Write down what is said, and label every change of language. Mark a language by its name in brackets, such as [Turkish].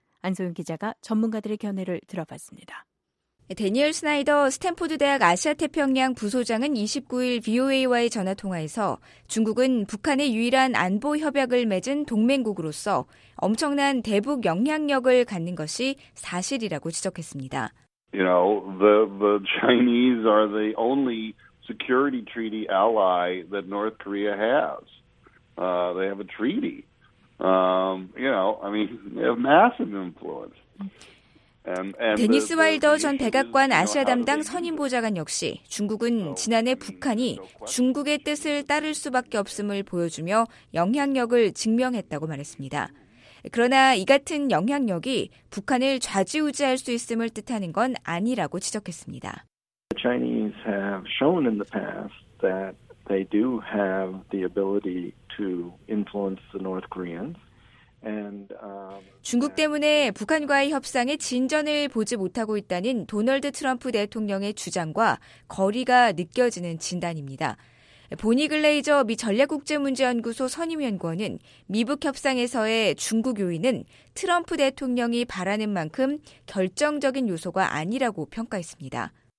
[Korean] 안소영 기자가 전문가들의 견해를 들어봤습니다. 대니얼 스나이더 스탠포드 대학 아시아태평양 부소장은 29일 VOA와의 전화통화에서 중국은 북한의 유일한 안보 협약을 맺은 동맹국으로서 엄청난 대북 영향력을 갖는 것이 사실이라고 지적했습니다. [English] You know, the Chinese are the only security treaty ally that North Korea has. They have a treaty. They have massive influence. [Korean] 데니스 와일더 전 백악관 아시아 담당 선임 보좌관 역시 중국은 지난해 북한이 중국의 뜻을 따를 수밖에 없음을 보여주며 영향력을 증명했다고 말했습니다. 그러나 이 같은 영향력이 북한을 좌지우지할 수 있음을 뜻하는 건 아니라고 지적했습니다. [English] The Chinese have shown in the past that they do have the ability to influence the North Koreans. [Korean] 중국 때문에 북한과의 협상에 진전을 보지 못하고 있다는 도널드 트럼프 대통령의 주장과 거리가 느껴지는 진단입니다. 보니 글레이저 미 전략국제문제연구소 선임연구원은 미북 협상에서의 중국 요인은 트럼프 대통령이 바라는 만큼 결정적인 요소가 아니라고 평가했습니다.